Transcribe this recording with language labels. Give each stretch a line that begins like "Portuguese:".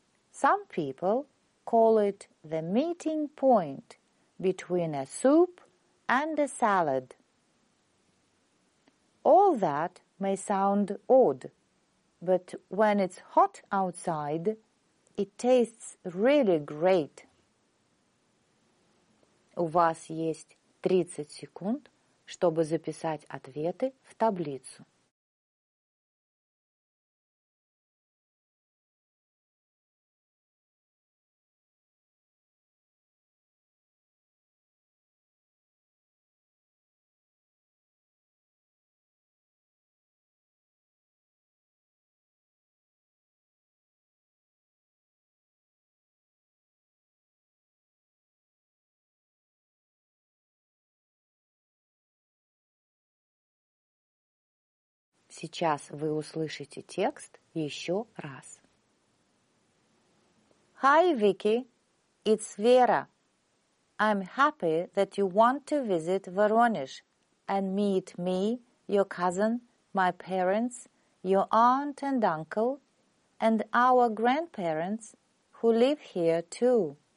English: Some people call it the meeting point between a soup and a salad. All that may sound odd, but when it's hot outside, it tastes really great.
Russian: У вас есть 30 секунд, чтобы записать ответы в таблицу. Сейчас вы услышите текст еще раз.
English: Hi, Vicky. It's Vera. I'm happy that you want to visit Voronezh and meet me, your cousin, my parents, your aunt and uncle, and our grandparents who live here too.